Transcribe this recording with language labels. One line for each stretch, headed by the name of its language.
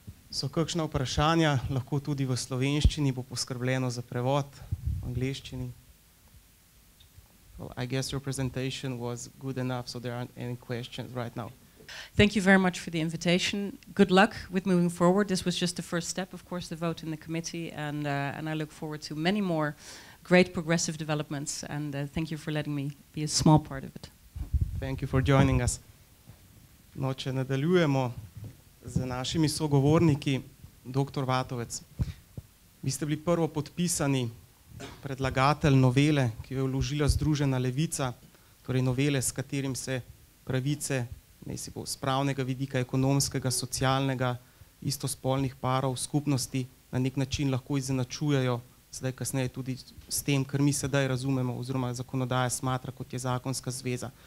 Slovenian: so kakšna vprašanja, lahko tudi v slovenščini, bo poskrbljeno za prevod v angleščini.
English: Well, I guess your presentation was good enough, so there aren't any questions right now. Thank you very much for the invitation. Good luck with moving forward. This was just the first step, of course, the vote in the committee, and I look forward to many more great progressive developments, and thank you for letting me be a small part of it. Thank you for joining us.
Slovenian: No, če nadaljujemo z našimi sogovorniki, dr. Vatovec, vi ste bili prvo podpisani predlagatelj novele, ki jo je vložila Združena levica, torej novele, s katerim se pravice z pravnega vidika, ekonomskega, socialnega, istospolnih parov, skupnosti, na nek način lahko izenačujejo, sedaj kasneje tudi s tem, kar mi sedaj razumemo, oziroma zakonodaja smatra, kot je zakonska zveza.